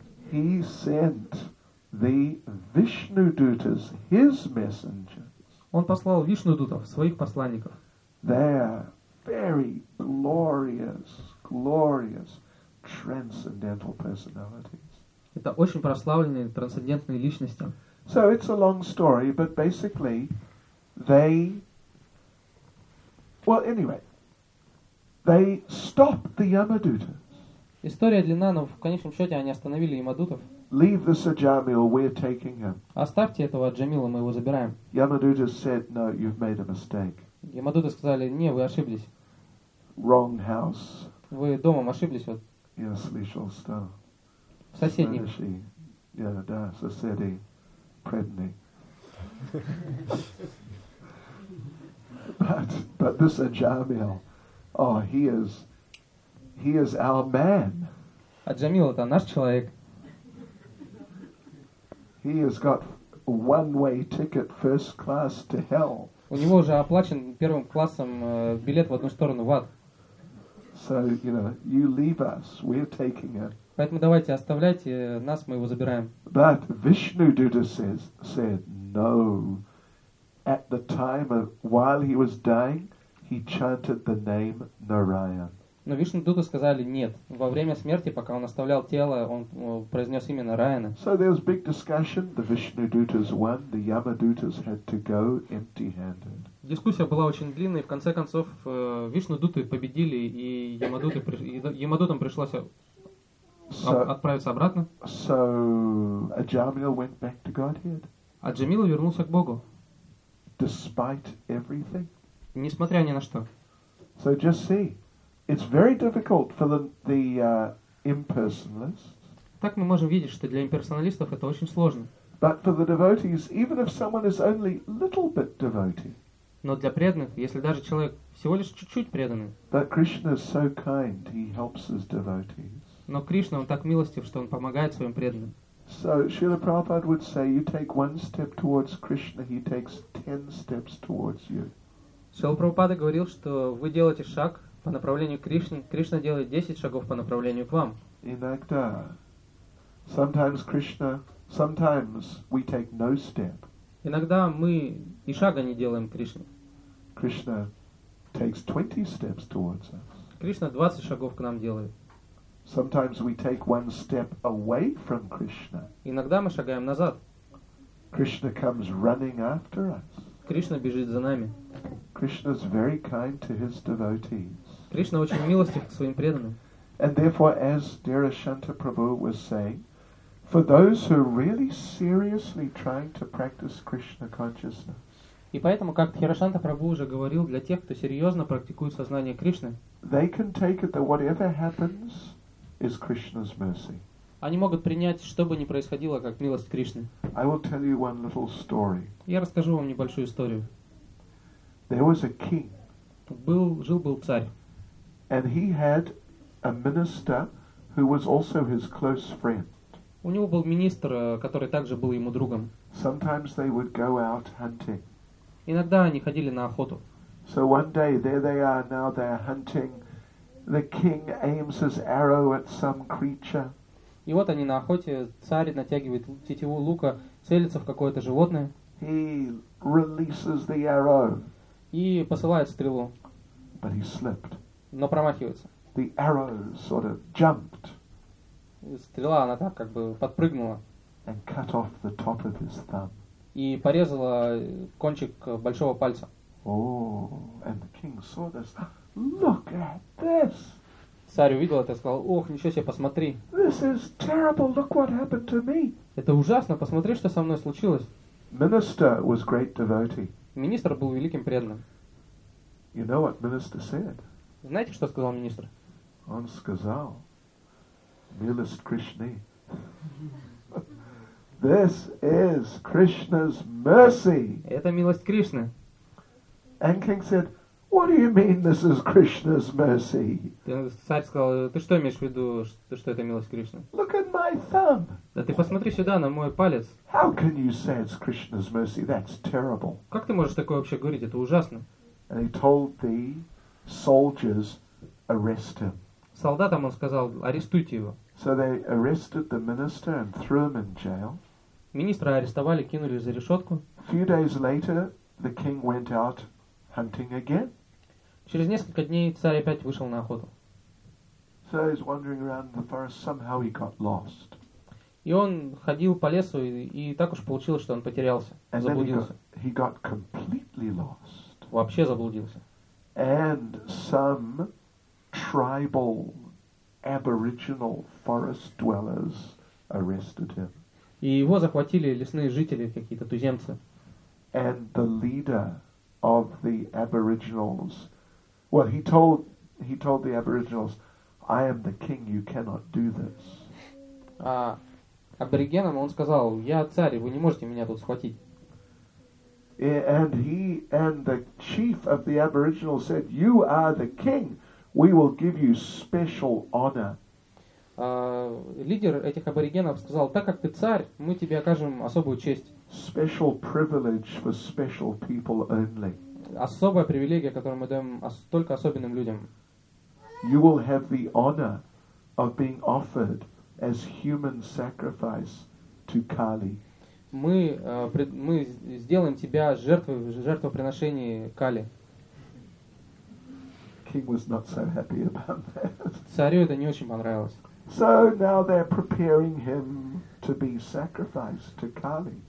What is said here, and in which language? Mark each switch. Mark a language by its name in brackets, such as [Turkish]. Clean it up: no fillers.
[English] He sent the Vishnudutas, his messengers. [Russian] Он послал Вишнудутов, своих посланников. [English] They're very glorious, glorious, transcendental personalities. [Russian] Это очень прославленные, трансцендентные личности. [English] So it's a long story, but basically they... Well, anyway... They stopped the Yamadutas. [Russian] История длинна, но в конечном счете они остановили Ямадутов. [English] Leave this Аджамил, we're taking him. [Russian] Оставьте этого Аджамила, мы его забираем. [English] Yamadutas said, no, you've made a mistake. [Russian] Ямадуты сказали, не, вы ошиблись. [English] Wrong house. [Russian] Вы домом ошиблись вот. [English] Yes, we shall stop. [Russian] В соседнем. [English] Yeah, [Russian] да, соседи, предни. [English] But this Аджамил. Oh, he is our man. [Russian] А Джамил это наш человек. [English] He has got one-way ticket first class to hell. [Russian] У него уже оплачен первым классом билет в одну сторону в ад. [English] So, you know, you leave us, we're taking it. [Russian] Поэтому давайте оставляйте нас, мы его забираем. [English] But Vishnududa said no. At the time of while he was dying. He chanted the name Narayan. [Russian] Но Вишнудуты сказали нет. Во время смерти, пока он оставлял тело, он произнес имя Нараяна. [English] So there was big discussion. The Vishnudutas won. The Yamadutas had to go empty-handed. [Russian] Дискуссия была очень длинной. В конце концов Вишнудуты победили, и Ямадутам пришлось отправиться обратно. [English] So Аджамил went back to Godhead. [Russian] Аджамил вернулся к Богу. [English] Despite everything. [Russian] Несмотря ни на что. [English] So just see. It's very difficult for the impersonalists. [Russian] Так мы можем видеть, что для имперсоналистов это очень сложно. [English] But for the devotees, even if someone is only little bit devotee. [Russian] Но для преданных, если даже человек всего лишь чуть-чуть преданный. [English] But Krishna is so kind, he helps his devotees. [Russian] Но Кришна, он так милостив, что он помогает своим преданным. [English] So Srila Prabhupada would say, you take one step towards Krishna, he takes 10 steps towards you. [Russian] Шрила Прабхупада говорил, что вы делаете шаг по направлению к Кришне, Кришна делает 10 шагов по направлению к вам. Иногда, [English] sometimes Krishna, sometimes we take no step. [Russian] Иногда мы и шага не делаем к Кришне. [English] Krishna takes 20 steps towards us. [Russian] Кришна 20 шагов к нам делает. [English] Sometimes we take one step away from Krishna. [Russian] Иногда мы шагаем назад. [English] Krishna comes running after us. [Russian] Кришна бежит за нами. [English] Krishna is very kind to his devotees. [Russian] Кришна очень милостив к своим преданным. [English] And therefore, as Darshanta Prabhu was saying, for those who are really seriously trying to practice Krishna consciousness. [Russian] И поэтому, как Хирошанта Прабху уже говорил, для тех, кто серьезно практикует сознание Кришны, [English] they can take it that whatever happens is Krishna's mercy. [Russian] Они могут принять, что бы ни происходило, как милость Кришны. [English] I will tell you one little story. [Russian] Я расскажу вам небольшую историю. [English] There was a king. [Russian] Жил-был царь. [English] And he had a minister who was also his close friend. [Russian] У него был министр, который также был ему другом. [English] Sometimes they would go out hunting. [Russian] Иногда они ходили на охоту. [English] So one day, there they are, now they're hunting. The king aims his arrow at some creature. [Russian] И вот они на охоте, царь натягивает тетиву лука, целится в какое-то животное. [English] He releases the arrow. [Russian] И посылает стрелу. [English] But he slipped. [Russian] Но промахивается. [English] The arrow sort of jumped. [Russian] Стрела, она так как бы подпрыгнула. [English] And cut off the top of his thumb. [Russian] И порезала кончик большого пальца. [English] And the king saw this. Look at this. [Russian] Царь увидел это и сказал: «Ох, ничего себе, посмотри!» [English] This is terrible. Look what happened to me. [Russian] Это ужасно, посмотри, что со мной случилось. [English] Minister was great devotee. [Russian] Министр был великим преданным. [English] You know what minister said? [Russian] Знаете, что сказал министр? Он сказал: «Милость Кришны». [English] This is Krishna's mercy. [Russian] Это милость Кришны. [English] And king said, "What do you mean this is Krishna's mercy?" [Russian] Царь сказал: "Ты что имеешь в виду, что это милость Кришны?" [English] Look at my thumb. [Russian] Да ты посмотри сюда на мой палец. [English] How can you say it's Krishna's mercy? That's terrible. [Russian] Как ты можешь такое вообще говорить? Это ужасно. [English] And he told the soldiers, "Arrest him." [Russian] Солдатам он сказал: "Арестуйте его." [English] So they arrested the minister and threw him in jail. [Russian] Министра арестовали, кинули за решетку. [English] A few days later, the king went out hunting again. [Russian] Через несколько дней царь опять вышел на охоту. [English] So he's wandering around the forest. Somehow he got lost. [Russian] И он ходил по лесу, и так уж получилось, что он потерялся, [English] and [Russian] заблудился. [English] He got completely lost. [Russian] Вообще заблудился. [English] And some tribal aboriginal forest dwellers arrested him. [Russian] И его захватили лесные жители, какие-то туземцы. [English] And the leader of the aboriginals, well, he told the aboriginals, "I am the king, you cannot do this." [Russian] А аборигенам он сказал: "Я царь, вы не можете меня тут схватить." [English] And he and the chief of the aboriginals said, "You are the king. We will give you special honor." [Russian] Лидер этих аборигенов сказал: "Так как ты царь, мы тебе окажем особую честь." [English] Special privilege for special people only. [Russian] Особая привилегия, которую мы даем только особенным людям. [English] You will have the honor of being offered as human sacrifice to Kali. [Russian] Мы сделаем тебя жертвоприношение Кали. [English] King was not so happy about that. [Russian] Царю это не очень понравилось. [English] So now they're preparing him to be sacrificed to Kali.